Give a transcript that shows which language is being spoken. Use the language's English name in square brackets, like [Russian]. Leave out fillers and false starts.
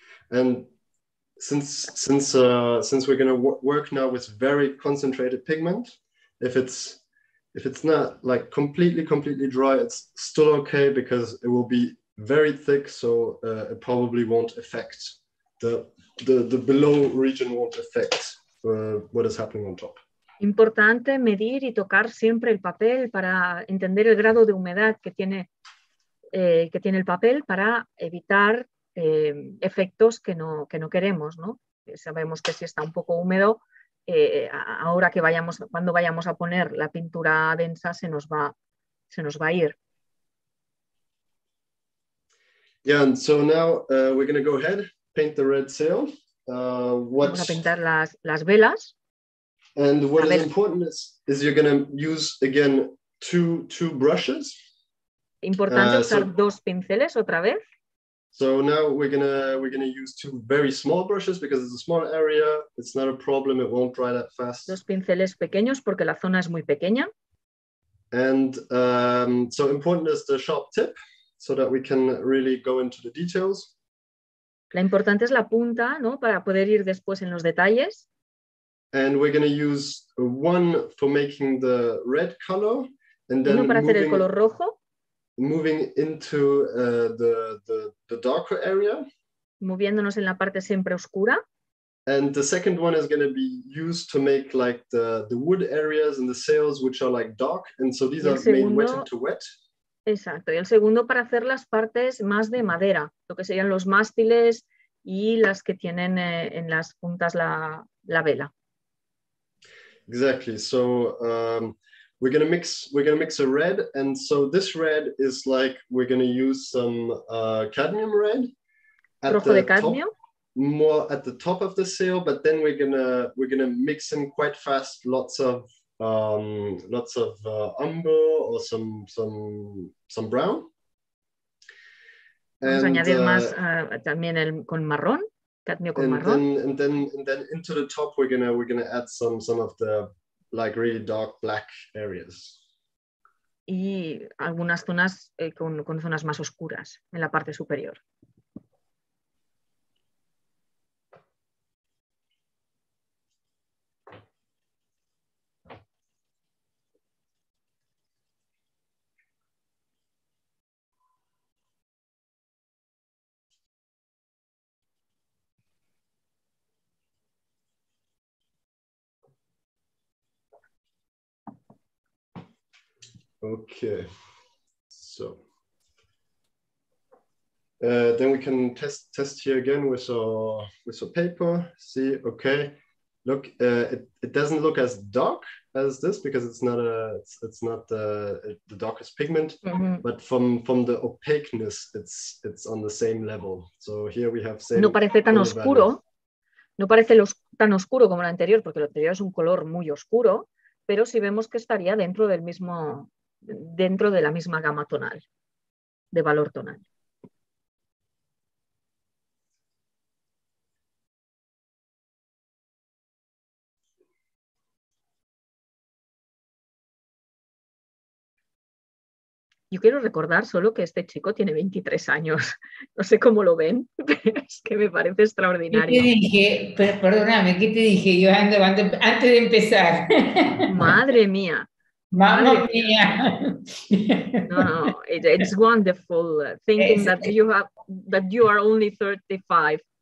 [English] And since we're going to work now with very concentrated pigment, if it's not like completely dry, it's still okay because it will be very thick. So it probably won't affect the below region won't affect what is happening on top. [Spanish] Importante medir y tocar siempre el papel para entender el grado de humedad que tiene el papel para evitar efectos que no queremos, ¿no? Sabemos que si está un poco húmedo, ahora que vayamos, cuando vayamos a poner la pintura densa, se nos va a ir. [English] Yeah, and so now we're going to go ahead, paint the red sail. [Spanish] Vamos a pintar las velas. [English] And what is important is you're going to use again two brushes. [Spanish] Importante usar dos pinceles otra vez. [English] So now we're gonna use two very small brushes because it's a small area. It's not a problem. It won't dry that fast. [Spanish] Dos pinceles pequeños porque la zona es muy pequeña. [English] And so important is the sharp tip so that we can really go into the details. [Spanish] La importante es la punta, ¿no? Para poder ir después en los detalles. [English] And we're going to use one for making the red color, and then moving into the darker area. [Spanish] Moviéndonos en la parte siempre oscura. [English] And the second one is going to be used to make like the wood areas and the sails, which are like dark. And so these are made wet into wet. [Spanish] Exacto. Y el segundo para hacer las partes más de madera, lo que serían los mástiles y las que tienen en las puntas la vela. [English] Exactly. So we're gonna mix a red, and so this red is like we're gonna use some cadmium red at Rojo the cadmium. Top, more at the top of the sail, but then we're gonna mix in quite fast lots of umber or some brown. [Spanish] Vamos a añadir más también el con marrón, cadmio con marrón. [English] And then into the top we're gonna add some of the like really dark black areas. [Spanish] Y algunas zonas con zonas más oscuras en la parte superior. [English] Okay, so then we can test here again with our paper. See, okay, look, it doesn't look as dark as this because it's not the darkest pigment, mm-hmm. But from the opaqueness, it's on the same level. So here we have same. [Spanish] No parece tan oscuro. No parece tan oscuro como el anterior porque el anterior es un color muy oscuro, pero si vemos que estaría dentro del mismo. Dentro de la misma gama tonal, de valor tonal. Yo quiero recordar solo que este chico tiene 23 años. No sé cómo lo ven, pero es que me parece extraordinario. ¿Qué te dije? Pero perdóname, ¿qué te dije yo antes de empezar? ¡Madre mía! ¡Mamma mía! [English] No, it's wonderful thinking that you have that you are only 35.